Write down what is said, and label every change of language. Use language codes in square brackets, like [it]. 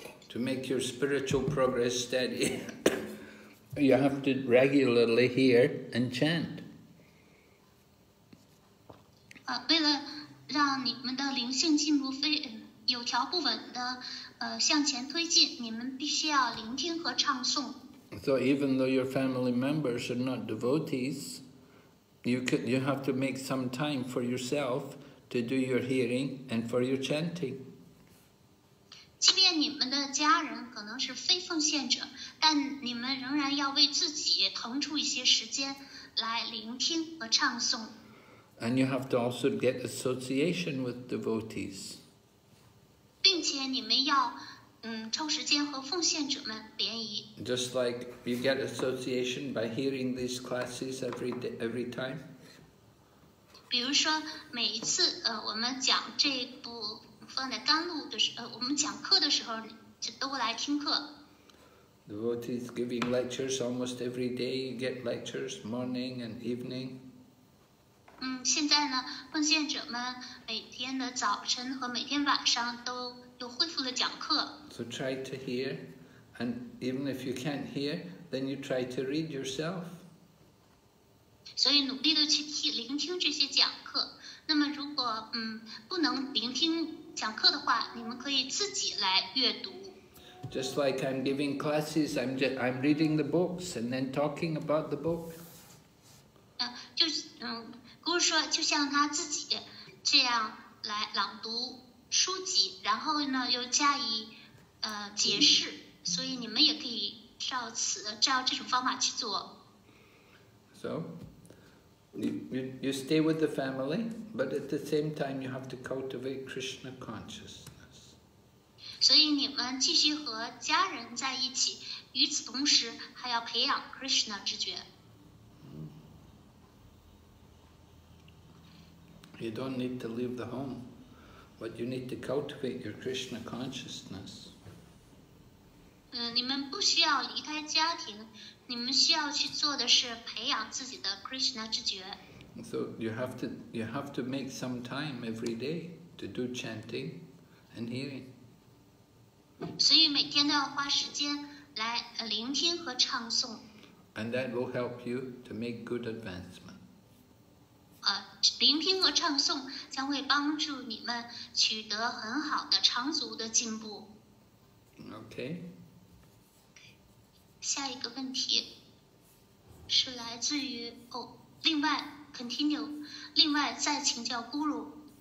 [en] To make your spiritual progress steady, you have to regularly hear and chant. [zh] 为了让你们的灵性进步有条不紊的向前推进，你们必须要聆听和唱诵。 [en] So even though your family members are not devotees, You have to make some time for yourself to do your hearing and for your chanting. [zh] 即便你们的家人可能是非奉献者，但你们仍然要为自己腾出一些时间来聆听和唱诵。 [en] And you have to also get association with devotees. [zh] 并且你们要抽时间和奉献者们联谊。 [en] Just like you get association by hearing these classes every day, every time. [zh] 比如说每一次我们讲这部分的甘露的时候，我们讲课的时候就都来听课。 [en] Devotees giving lectures almost every day. You get lectures morning and evening. [zh] 现在呢，奉献者们每天的早晨和每天晚上都又恢复了讲课。 [en] So try to hear, and even if you can't hear, then you try to read yourself. [zh] 所以努力的去聆听这些讲课。那么如果不能聆听讲课的话，你们可以自己来阅读。 [en] Just like I'm giving classes, I'm reading the books and then talking about the book. [zh] 就是说，就像他自己这样来朗读书籍，然后呢又加以解释，所以你们也可以照这种方法去做。 [en] So, you stay with the family, but at the same time you have to cultivate Krishna consciousness. [zh] 所以你们继续和家人在一起，与此同时还要培养 Krishna 知觉。 [en] You don't need to leave the home, but you need to cultivate your Krishna consciousness. [zh] 你们不需要离开家庭，你们需要去做的是培养自己的 Krishna 知觉。 [en] So you have to make some time every day to do chanting and hearing. [zh] 所以每天都要花时间来聆听和唱诵。 [en] And that will help you to make good advancement. [zh] 聆听和唱诵将会帮助你们取得很好的长足的进步。 OK。下一个问题是来自于另外 [en] continue， [zh] 另外再请教咕噜。